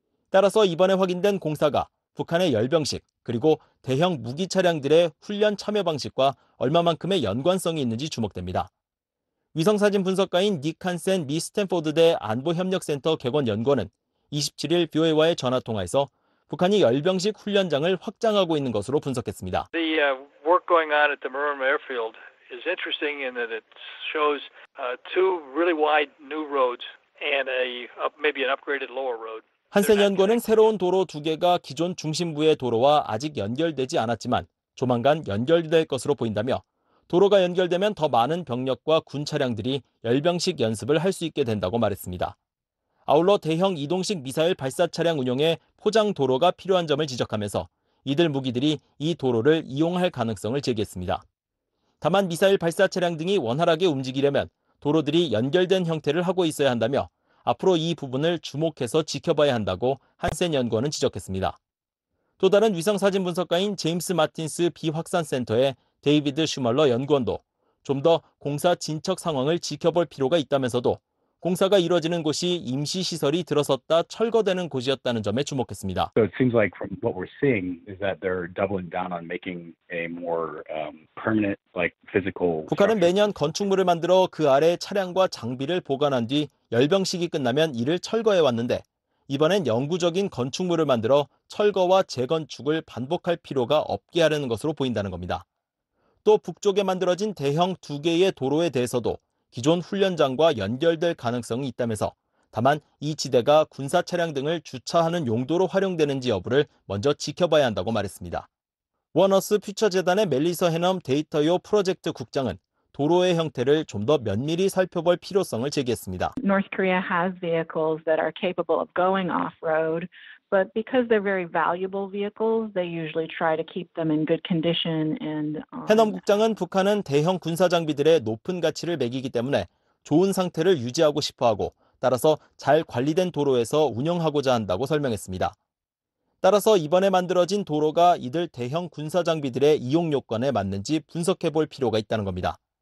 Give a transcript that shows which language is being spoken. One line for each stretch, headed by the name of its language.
Korean: 따라서 이번에 확인된 공사가 북한의 열병식 그리고 대형 무기 차량들의 훈련 참여 방식과 얼마만큼의 연관성이 있는지 주목됩니다. 위성사진 분석가인 닉 한센 미 스탠포드대 안보협력센터 객원 연구원은 27일 BOA와의 전화통화에서 북한이 열병식 훈련장을 확장하고 있는 것으로 분석했습니다.
English: The work going on at the Murom Airfield is interesting in that it shows two really wide new roads and maybe an upgraded lower road.
Korean: 한센 연구원은 새로운 도로 두 개가 기존 중심부의 도로와 아직 연결되지 않았지만 조만간 연결될 것으로 보인다며 도로가 연결되면 더 많은 병력과 군 차량들이 열병식 연습을 할 수 있게 된다고 말했습니다. 아울러 대형 이동식 미사일 발사 차량 운용에 포장 도로가 필요한 점을 지적하면서 이들 무기들이 이 도로를 이용할 가능성을 제기했습니다. 다만 미사일 발사 차량 등이 원활하게 움직이려면 도로들이 연결된 형태를 하고 있어야 한다며 앞으로 이 부분을 주목해서 지켜봐야 한다고 한센 연구원은 지적했습니다. 또 다른 위성사진 분석가인 제임스 마틴스 비확산센터의 데이비드 슈멀러 연구원도 좀 더 공사 진척 상황을 지켜볼 필요가 있다면서도 공사가 이루어지는 곳이 임시시설이 들어섰다 철거되는 곳이었다는 점에 주목했습니다.
English: So it seems like from what we're seeing is that they're doubling down on making a more permanent like physical.
Korean: 북한은 매년 건축물을 만들어 그 아래 차량과 장비를 보관한 뒤 열병식이 끝나면 이를 철거해 왔는데 이번엔 영구적인 건축물을 만들어 철거와 재건축을 반복할 필요가 없게 하려는 것으로 보인다는 겁니다. 또 북쪽에 만들어진 대형 두 개의 도로에 대해서도 기존 훈련장과 연결될 가능성이 있다면서 다만 이 지대가 군사 차량 등을 주차하는 용도로 활용되는지 여부를 먼저 지켜봐야 한다고 말했습니다. 원어스 퓨처재단의 멜리서 헤넘 데이터요 프로젝트 국장은 도로의 형태를 좀 더 면밀히 살펴볼 필요성을 제기했습니다.
English: North Korea has vehicles that are capable of going off-road, but because they're very valuable vehicles, they usually try to keep them in good condition and
Korean: 해넘 국장은 북한은 대형 군사 장비들의 높은 가치를 매기기 때문에 좋은 상태를 유지하고 싶어 하고 따라서 잘 관리된 도로에서 운영하고자 한다고 설명했습니다. 따라서 이번에 만들어진 도로가 이들 대형 군사 장비들의 이용 요건에 맞는지 분석해 볼 필요가 있다는 겁니다.